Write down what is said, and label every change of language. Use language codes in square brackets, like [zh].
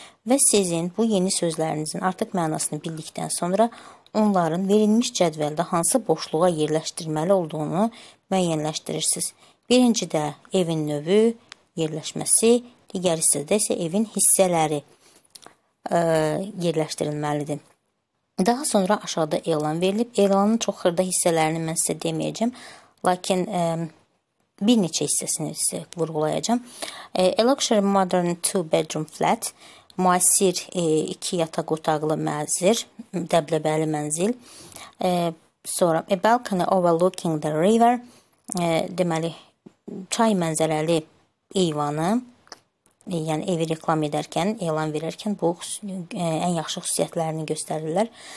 [az] Və sizin bu yeni sözlərinizin artıq mənasını bildikdən sonra onların verilmiş cədvəldə hansı boşluğa yerləşdirməli olduğunu müəyyənləşdirirsiniz. Birincidə evin növü, yerləşməsi, digərisində isə evin hissələri yerləşdirilməlidir. Daha sonra aşağıda elan verilib. Elanın çox xırda hissələrini mən sizə deməyəcəm, lakin bir neçə hissəsini sizə vurgulayacağım. [en] A luxury modern two-bedroom flat. [az] Müasir iki yataq otaqlı mənzil, dəbdəbəli mənzil. Sonra [en] a balcony overlooking the river, [az] deməli çay mənzərəli eyvanı, yəni evi reklam edərkən, elan verərkən bu ən yaxşı xüsusiyyətlərini göstərirlər.